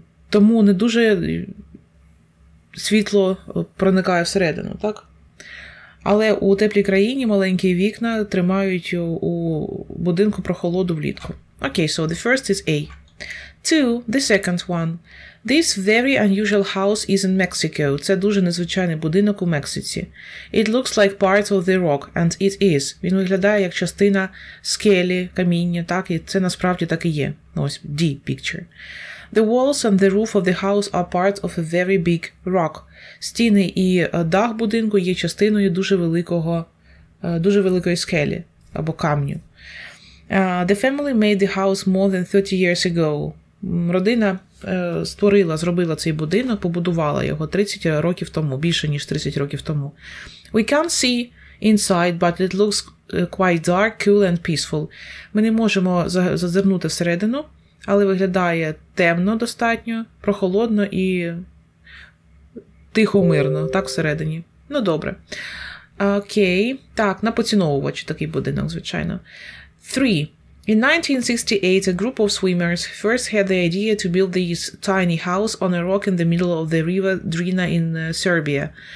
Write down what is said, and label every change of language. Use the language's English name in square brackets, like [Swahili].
[Ukrainian] Тому не дуже світло проникає всередину, так? Але у теплій країні маленькі вікна тримають у будинку прохолоду влітку. [English] Okay, so the first is A. 2. The second one. This very unusual house is in Mexico. [Ukrainian] Це дуже незвичайний будинок у Мексиці. [English] It looks like part of the rock, and it is. [Ukrainian] Він виглядає як частина скелі, каміння, так? І це насправді так і є. Ось, D picture. [English] The walls and the roof of the house are part of a very big rock. [Ukrainian] Стіни і дах будинку є частиною дуже великої скелі або камню. [English] The family made the house more than 30 years ago. [Ukrainian] Родина зробила цей будинок, побудувала його 30 років тому, більше ніж 30 років тому. [English] We can't see inside, but it looks quite dark, cool and peaceful. [Ukrainian] Ми не можемо зазирнути всередину, але виглядає темно достатньо, прохолодно і тихо, мирно, так, всередині. Ну, добре. Окей, так, на поціновувачі такий будинок, звичайно. 3. [English] In 1968, a group of swimmers first had the idea to build this tiny house on a rock in the middle of the river Drina in Serbia.